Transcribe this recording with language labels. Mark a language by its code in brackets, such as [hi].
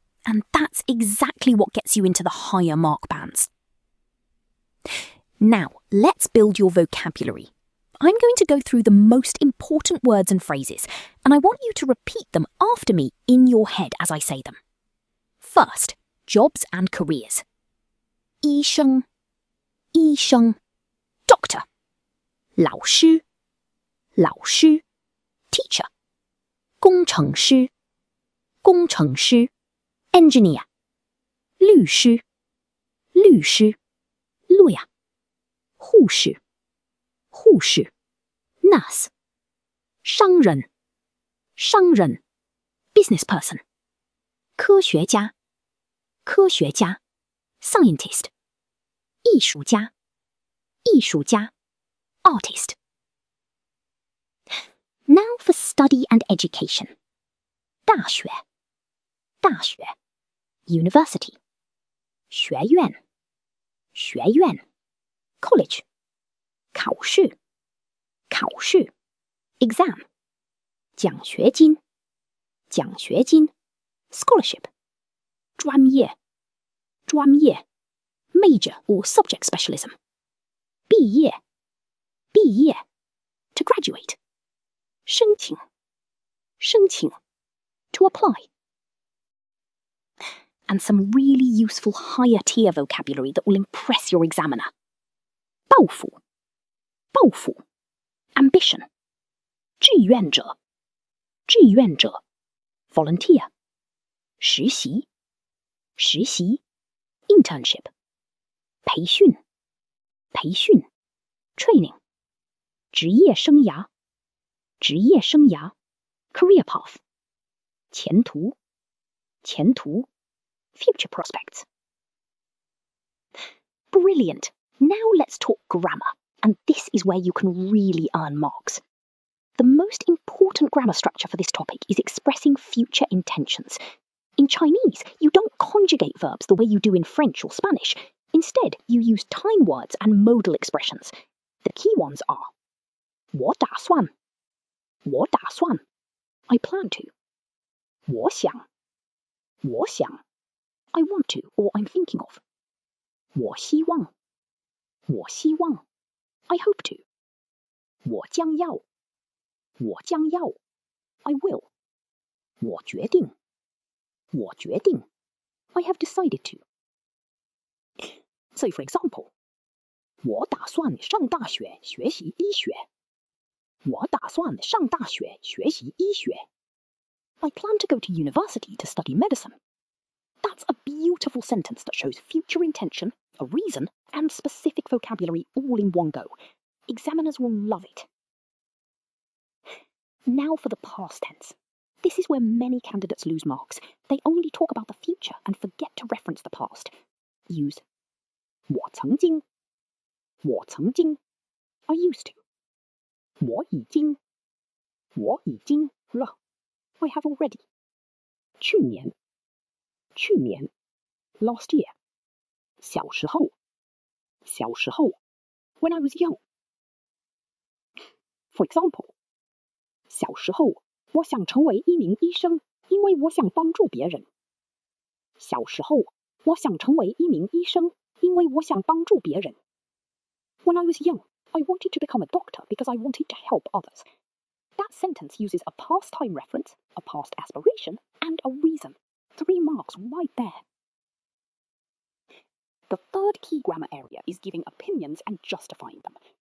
[en] And that's exactly what gets you into the higher mark bands. Now, let's build your vocabulary. I'm going to go through the most important words and phrases, and I want you to repeat them after me in your head as I say them. First, jobs and careers. [zh] 医生, 医生, doctor. 老师, 老师, teacher. 工程师, 工程师, engineer. 律师, 律师, lawyer. 护士, 护士, nurse. 商人, 商人, business person. 科学家, 科学家, scientist. 艺术家, 艺术家, artist. [en] Now for study and education. [zh] 大学, 大学, university. 学院, 学院, college. 考试, 考试, exam. 奖学金, 奖学金, scholarship. [en] 专业, 专业, major or subject specialism. [zh] 毕业, 毕业, to graduate. 申请, 申请, to apply. [en] And some really useful higher tier vocabulary that will impress your examiner. [zh] 抱负, 抱负, ambition. 志愿者, 志愿者, volunteer. 实习, 实习, internship. 培训, 培训, training. 职业生涯, 职业生涯, career path. 前途, 前途, future prospects. [en] Brilliant. Now let's talk grammar. And this is where you can really earn marks. The most important grammar structure for this topic is expressing future intentions. In Chinese, you don't conjugate verbs the way you do in French or Spanish. Instead, you use time words and modal expressions. The key ones are 我打算, 我打算, I plan to. 我想, 我想, I want to or I'm thinking of. 我希望, 我希望, I hope to. [zh] 我将要, 我将要, I will. [en] 我决定, 我决定, I have decided to. So, for example, [zh] 我打算上大学学习医学. 我打算上大学学习医学. [en] I plan to go to university to study medicine. That's a beautiful sentence that shows future intention, a reason, and specific vocabulary all in one go. Examiners will love it. Now for the past tense. This is where many candidates lose marks. They only talk about the future and forget to reference the past. Use 我曾经, 我曾经, I used to. 我已经, 我已经了, I have already. [zh] 去年, 去年, last year. [en] 小时候, 小时候, when I was young. For example, [zh] 小时候我想成为一名医生因为我想帮助别人。小时候我想成为一名医生因为我想帮助别人。 [en] When I was young, I wanted to become a doctor because I wanted to help others. That sentence uses a past time reference, a past aspiration, and a reason. Three marks right there. The third key grammar area is giving opinions and justifying them.